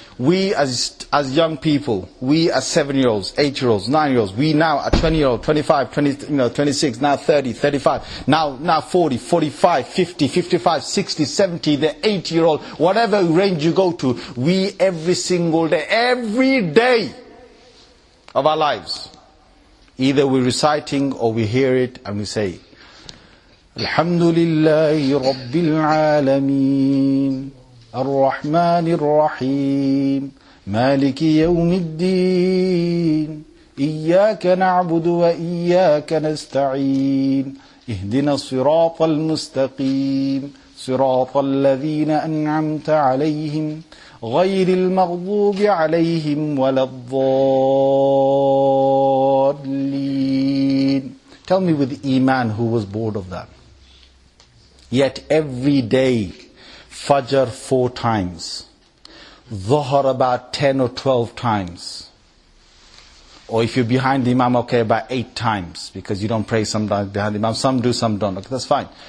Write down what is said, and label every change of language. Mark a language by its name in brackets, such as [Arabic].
[English] We as young people, we as 7-year-olds, 8-year-olds, 9-year-olds, we now are 20-year-olds, 25, 20, you know, 26, now 30, 35, now 40, 45, 50, 55, 60, 70, the 8-year-old, whatever range you go to, we every single day, every day of our lives, either we're reciting or we hear it and we say, [Arabic] Alhamdulillahi Rabbil Alameen. الرحمن الرحيم مالك يوم الدين إياك نعبد وإياك نستعين اهدنا الصراط المستقيم صراط الذين أنعمت عليهم غير المغضوب عليهم ولا الضالين. [English] Tell me with Iman who was bored of that. Yet every day Fajr 4 times, Dhuhr about 10 or 12 times, or if you're behind the Imam, okay, about 8 times, because you don't pray sometimes behind the Imam, some do, some don't, okay, that's fine.